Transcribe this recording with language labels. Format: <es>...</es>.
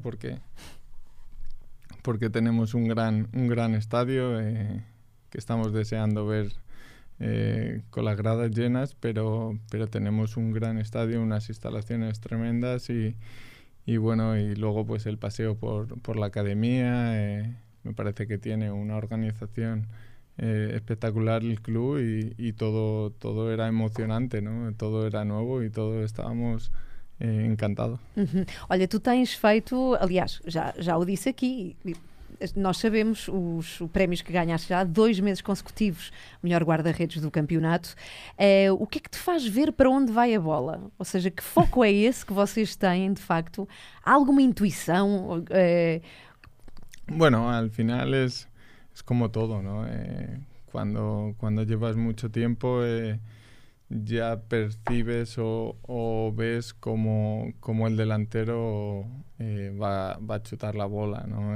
<es>Porque tenemos un gran estadio que estamos deseando ver con las gradas llenas, pero tenemos un gran estadio, unas instalaciones tremendas y bueno, y luego pues el paseo por la academia, me parece que tiene una organización espectacular el club y todo era emocionante, ¿no? Todo era nuevo y todos estábamos encantados. Uh-huh.</es> <pt>Olha, tú tens feito, aliás, já o disse aquí, nós sabemos os prémios que ganhaste já, 2 meses consecutivos, melhor guarda-redes do campeonato. O que é que te faz ver para onde vai a bola? Ou seja, que foco é esse que vocês têm, de facto? Há alguma intuição?</pt> <es>Bueno, al final es como todo, ¿no? Cuando llevas mucho tiempo ya percibes o ves cómo el delantero va a chutar la bola, ¿no?</es>